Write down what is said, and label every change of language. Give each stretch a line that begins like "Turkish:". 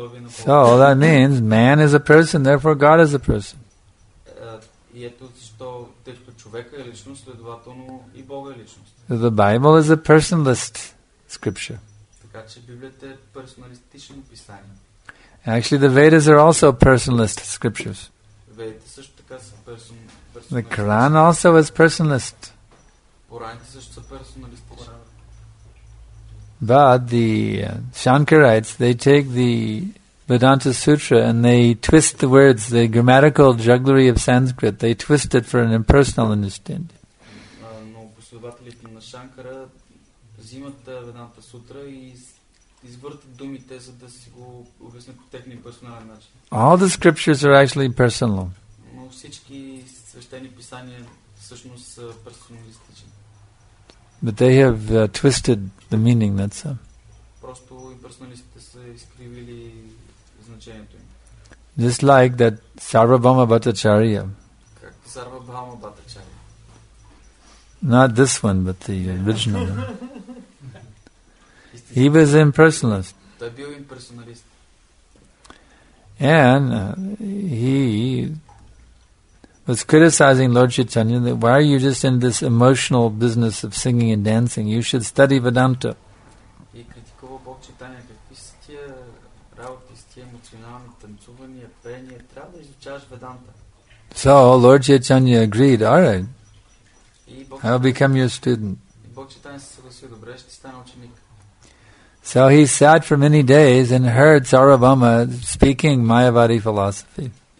English: So that means man is a person, therefore God is a person.
Bulgarian: И ето защо, тъй като човека е личност, следователно и Бога е личност.
English: The Bible is a personalist scripture.
Bulgarian: Така че Библията е персоналистично писание.
English: Actually, the Vedas are also personalist scriptures.
Bulgarian: Ведите също така са персоналист.
English: The Quran also is personalist.
Bulgarian: Пораните също са персоналистични.
English: But the Shankarites, they take the Vedanta Sutra and they twist the words, the grammatical jugglery of Sanskrit, they twist it for an impersonal understanding.
Bulgarian: Но последователите на Шанкара взимат Веданта Сутра и извъртат думите, за да си го обяснят по техния персонален начин.
English: All the scriptures are actually personal.
Bulgarian: Но всички свещени писания всъщност са персоналистични.
English: But they have twisted the meaning, that's all.
Bulgarian: Просто имперсоналистите са изкривили значението им.
English: Just like that Sarvabhauma Bhattacharya.
Bulgarian: Как Sarvabhauma Bhattacharya.
English: Not this one, but the original one. He was an impersonalist.
Bulgarian: Той бил имперсоналист.
English: And he was criticizing Lord Chaitanya that why are you just in this emotional business of singing and dancing? You should study Vedanta.
Bulgarian: И критикува Бог Чайтанья, какви са тия работи с тия емоционални танцувания, пеяния, трябва да изучаваш Веданта.
English: So Lord Chaitanya agreed, all right, I'll become your student.
Bulgarian: И Бог Чайтанья се съгласил, добре, ще стане ученик.
English: So he sat for many days and heard Sarvabhauma speaking Mayavadi philosophy.